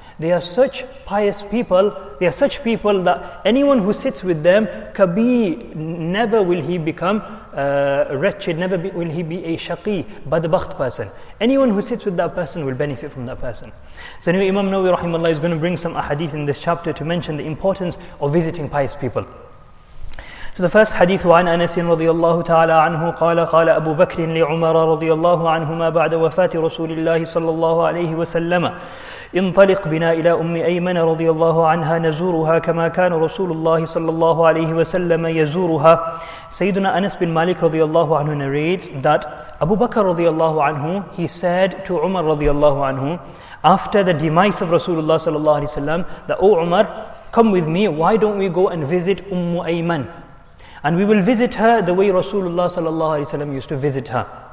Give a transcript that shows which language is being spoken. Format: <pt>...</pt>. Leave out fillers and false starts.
<en>They are such pious people, they are such people that anyone who sits with them, kabi, never will he become wretched, never will he be a shaqi, badbakht person. Anyone who sits with that person will benefit from that person. So anyway, Imam Nawawi rahimahullah is going to bring some ahadith in this chapter to mention the importance of visiting pious people. So the first hadith,</en> <ar>وعن أنس رضي الله تعالى عنه قال قال أبو بكر لعمر رضي الله عنهما بعد وفاة رسول الله صلى الله عليه وسلم انطلق بنا إلى أم أيمن رضي الله عنها نزورها كما كان رسول الله صلى الله عليه وسلم يزورها.</ar> <en>سيدنا أنس بن مالك رضي الله عنه narrates that أبو بكر رضي الله عنه, he said to عمر رضي الله عنه after the demise of</en> <ar>رسول الله صلى الله عليه وسلم</ar> <en>that, oh عمر, come with me, why don't we go and visit أم أيمن, and we will visit her the way Rasulullah sallallahu alaihi wasallam used to visit her.</en>